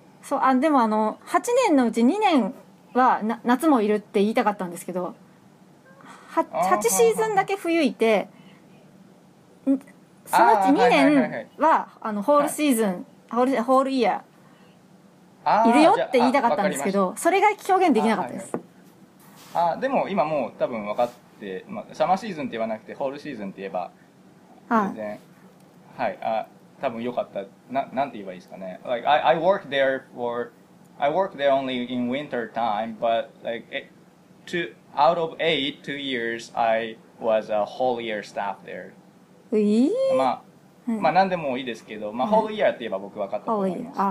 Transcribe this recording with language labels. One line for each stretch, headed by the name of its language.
Japanese: そう、でも8年のうち2年は夏もいるって言いたかったんですけど、8シーズンだけ冬いて、そのうち2年はホールシーズン、はい、ホールイヤーいるよって言いたかったんですけど、それが表現できなかったです。でも今もう多分分かって、まあ、サマーシーズンって言わなくてホールシーズンって言えば全然多分良かった。なんて言えばいいですかね。
English: Like, I work there only in winter time, but like two years I was a whole year staff there。
Japanese: まあ何でもいいですけど、まあ、ホールイヤーって言えば僕分かったと思います。